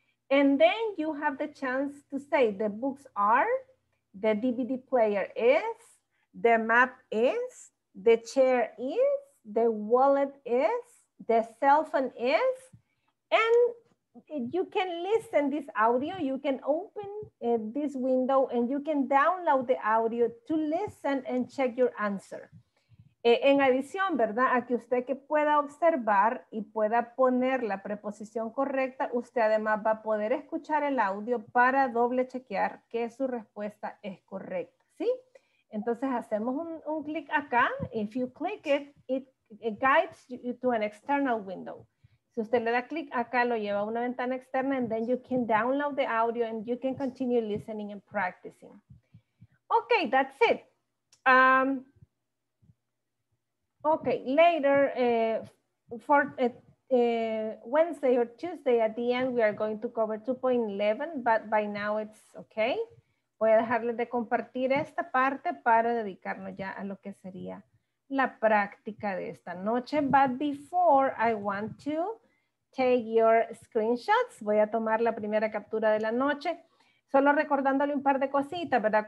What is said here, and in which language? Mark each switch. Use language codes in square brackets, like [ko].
[en] And then you have the chance to say the books are, the DVD player is, the map is, the chair is, the wallet is, the cell phone is, and you can listen this audio, you can open this window and you can download the audio to listen and check your answer. [es] En adición, ¿verdad? A que usted que pueda observar y pueda poner la preposición correcta, usted además va a poder escuchar el audio para doble chequear que su respuesta es correcta, ¿sí? Entonces hacemos un clic acá. [en] If you click it, it guides you to an external window. [es] Si usted le da clic acá, lo lleva a una ventana externa, [en] and then you can download the audio and you can continue listening and practicing. Okay, that's it. Okay, later, Wednesday or Tuesday at the end, we are going to cover 2.11, but by now it's okay. [es] Voy a dejarles de compartir esta parte para dedicarnos ya a lo que sería la práctica de esta noche. [en] But before, I want to take your screenshots. [es] Voy a tomar la primera captura de la noche. Solo recordándole un par de cositas, ¿verdad?